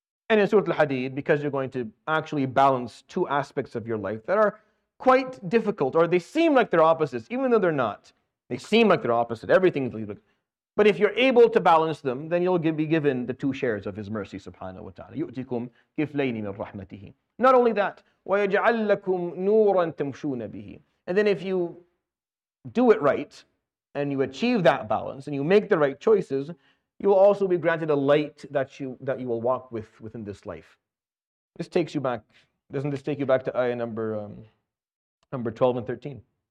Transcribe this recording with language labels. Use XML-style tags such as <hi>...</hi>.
<en>And in Surah Al-Hadid, because you're going to actually balance two aspects of your life that are quite difficult, or they seem like they're opposites, even though they're not. They seem like they're opposite. Everything's like, but if you're able to balance them, then you'll be given the two shares of his mercy, subhanahu wa ta'ala.</en> <ar>يُؤْتِكُمْ كِفْلَيْنِ مِنْ رَحْمَتِهِ.</ar> <en>Not only that,</en> <ar>وَيَجْعَلْ لَكُمْ نُورًا تَمْشُونَ بِهِ.</ar> <en>And then if you do it right, and you achieve that balance, and you make the right choices, you will also be granted a light that you will walk with within this life. This takes you back. Doesn't this take you back to ayah number 12 and 13?</en>